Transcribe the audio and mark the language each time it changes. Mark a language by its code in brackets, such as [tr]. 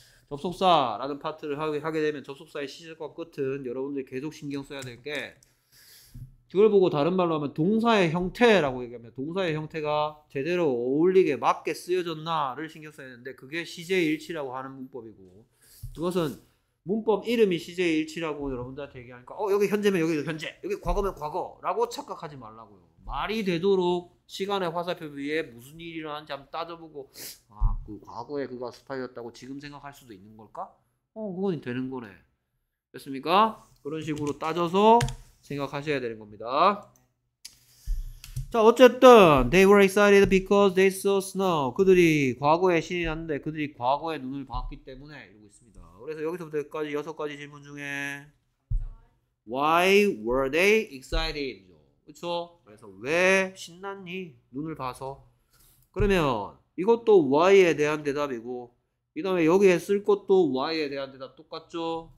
[ko] 접속사라는 파트를 하게 되면 접속사의 시제과 끝은 여러분들이 계속 신경 써야 될 게 그걸 보고 다른 말로 하면 동사의 형태라고 얘기하면 동사의 형태가 제대로 어울리게 맞게 쓰여졌나를 신경 써야 되는데 그게 시제일치라고 하는 문법이고 그것은 문법 이름이 시제일치라고 여러분들한테 얘기하니까 여기 현재면 여기 현재 여기 과거면 과거라고 착각하지 말라고요. 말이 되도록 시간의 화살표 위에 무슨 일이라는지 한번 따져보고 그 과거에 그가 스파이였다고 지금 생각할 수도 있는 걸까? 그건 되는 거네. 됐습니까? 그런 식으로 따져서 생각하셔야 되는 겁니다. 자 어쨌든 [en] They were excited because they saw snow. [ko] 그들이 과거에 신이 났는데 그들이 과거에 눈을 봤기 때문에 이러고 있습니다. 그래서 여기서부터 여기까지 여섯 가지 질문 중에 [en] Why were they excited? [ko] 그렇죠? 그래서 왜 신났니? 눈을 봐서. 그러면 이것도 why에 대한 대답이고 그 다음에 여기에 쓸 것도 why에 대한 대답 똑같죠?